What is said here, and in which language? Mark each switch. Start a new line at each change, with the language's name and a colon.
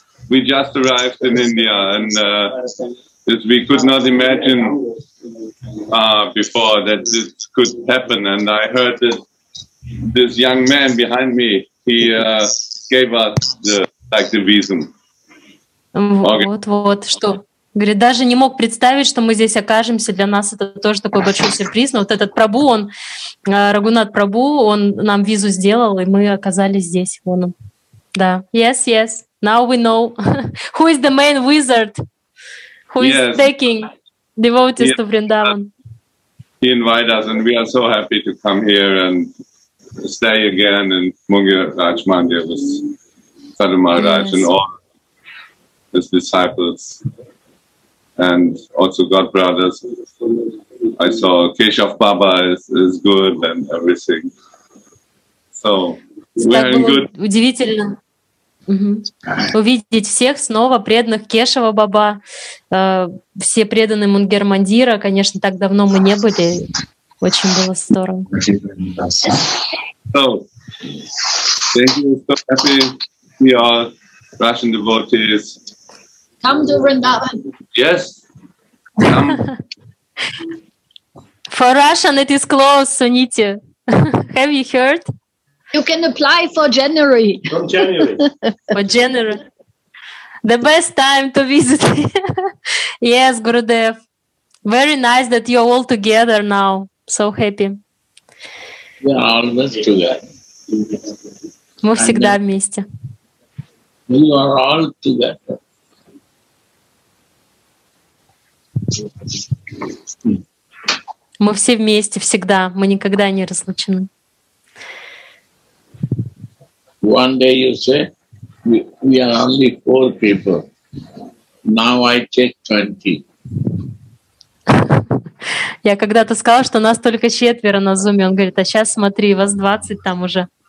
English: We just arrived in India and we could not imagine before that this could happen. And I heard that this young man behind me, he gave us the visum.
Russian: Вот-вот, что? Говорит, даже не мог представить, что мы здесь окажемся. Для нас это тоже такой большой сюрприз. Но вот этот Прабу, он, Рагунат Прабу, он нам визу сделал, и мы оказались здесь. Вон он. Да.
English: Yes, yes. Now we know who is the main wizard. Who is taking devotees to Vrindavan? He invited us, and we are so happy to come here and stay again in Mungir Raj Mandir with Sadhu Maharaj and all his disciples and also God brothers. I saw Keshav Baba is good and everything. So we are in good.
Russian: Удивительно. Угу. Увидеть всех снова, преданных Кешава Баба, все преданные Мунгер Мандира. Конечно, так давно мы не были. Очень было здорово.
English: So, thank you. So happy we are Russian devotees. Come to Vrindavan. Yes. Come. For Russian it is closed, Suniti. Have you heard? You can apply for January. From January. For January. The best time to visit. Yes, Gurudev. Very nice that you're all together now. So happy. We are always together.
Russian: Мы всегда вместе.
English: We are all together.
Russian: Мы все вместе всегда. Мы никогда не разлучены.
English: One day you say, we are only four people. Now I take 20.
Russian: Я когда-то сказала, что нас только четверо на зуме. Он говорит, а сейчас смотри, вас 20 там уже.